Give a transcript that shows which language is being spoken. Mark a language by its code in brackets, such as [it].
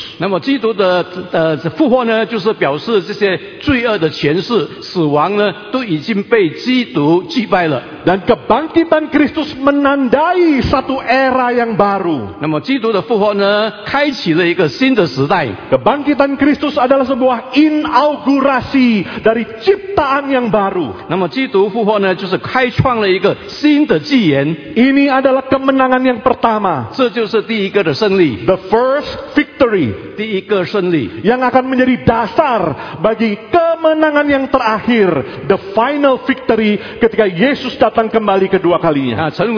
[zh] 那么基督的复活呢，就是表示这些罪恶的权势、死亡呢，都已经被基督击败了。 [id] Dan kebangkitan Kristus menandai satu era yang baru. [zh] 那么基督的复活呢，开启了一个新的时代。 [id] Kebangkitan Kristus adalah sebuah inaugurasi dari ciptaan yang baru. [zh] 那么基督复活呢，就是开创了一个新的纪元。 [id] Ini adalah kemenangan yang pertama. [zh] 这就是第一个的胜利。 [en] The first victory. [zh] 第一个胜利。 [id] Yang akan menjadi dasar bagi kemenangan yang terakhir. [en] The final victory [id] ketika Yesus datang kembali kedua kalinya.